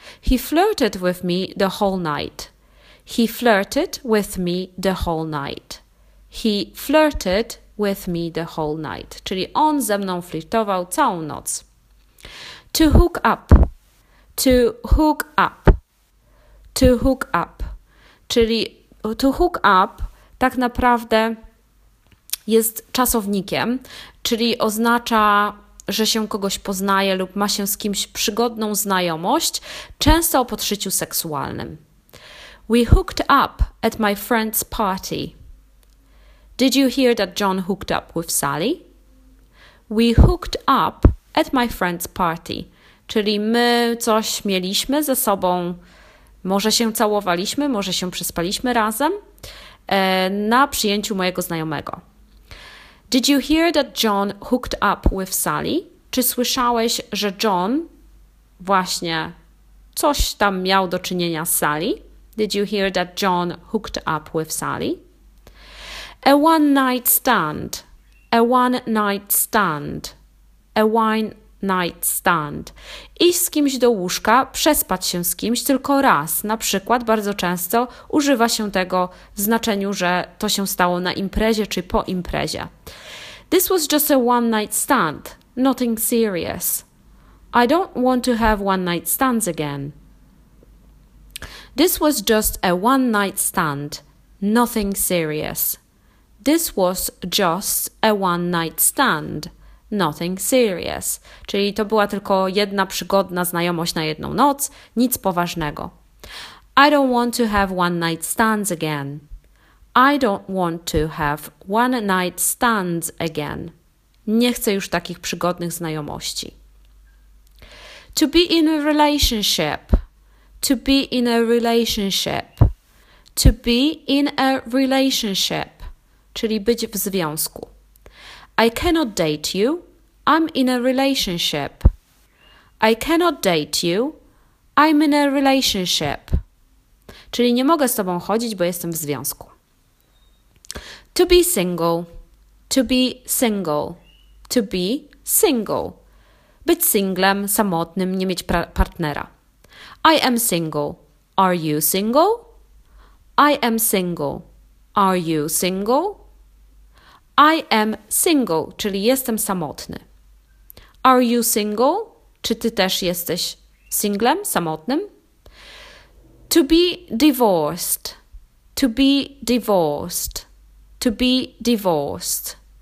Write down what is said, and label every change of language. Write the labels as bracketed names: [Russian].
[English] He flirted with me the whole night. He flirted with me the whole night. He flirted with me the whole night. [Polish] Czyli on ze mną flirtował całą noc. [English] To hook up. To hook up. To hook up. [Polish] Czyli to hook up tak naprawdę jest czasownikiem, czyli oznacza, że się kogoś poznaje lub ma się z kimś przygodną znajomość, często o podszyciu seksualnym. [English] We hooked up at my friend's party. Did you hear that John hooked up with Sally? We hooked up at my friend's party. [Polish] Czyli my coś mieliśmy ze sobą, może się całowaliśmy, może się przespaliśmy razem na przyjęciu mojego znajomego. [English] Did you hear that John hooked up with Sally? [Polish] Czy słyszałeś, że John właśnie coś tam miał do czynienia z Sally? [English] Did you hear that John hooked up with Sally? A one night stand. A one night stand. A one night stand. [Polish] Iść z kimś do łóżka, przespać się z kimś tylko raz. Na przykład bardzo często używa się tego w znaczeniu, że to się stało na imprezie czy po imprezie. [English] This was just a one night stand, nothing serious. I don't want to have one night stands again. This was just a one night stand, nothing serious. This was just a one night stand, nothing serious. [Polish] Czyli to była tylko jedna przygodna znajomość na jedną noc, nic poważnego. [English] I don't want to have one night stands again. I don't want to have one night stands again. [Polish] Nie chcę już takich przygodnych znajomości. [English] To be in a relationship. To be in a relationship. To be in a relationship. [Polish] Czyli być w związku. [English] I cannot date you. I'm in a relationship. I cannot date you. I'm in a relationship. [Polish] Czyli nie mogę z tobą chodzić, bo jestem w związku. [English] To be single. To be single. To be single. [Polish] Być singlem, samotnym, nie mieć partnera. [English] I am single. Are you single? I am single. Are you single? I am single, [Polish] czyli jestem samotny. [English] Are you single? [Polish] Czy ty też jesteś singlem, samotnym? [English] To be divorced. To be divorced. To be divorced.